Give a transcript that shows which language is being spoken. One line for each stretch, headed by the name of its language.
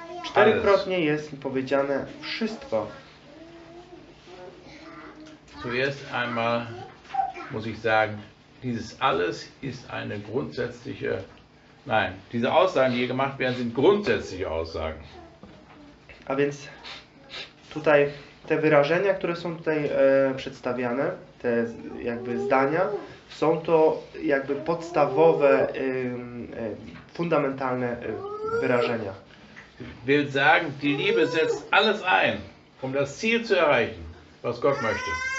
Polish: czterokrotnie jest powiedziane wszystko.
German: Zuerst einmal muss ich sagen, dieses alles ist eine grundsätzliche. Nein, diese Aussagen, die hier gemacht werden, sind grundsätzliche Aussagen.
Polish: A więc tutaj te wyrażenia, które są tutaj przedstawiane, te jakby zdania, są to jakby podstawowe, fundamentalne wyrażenia.
German: Will sagen, die Liebe setzt alles ein, um das Ziel zu erreichen, was Gott möchte.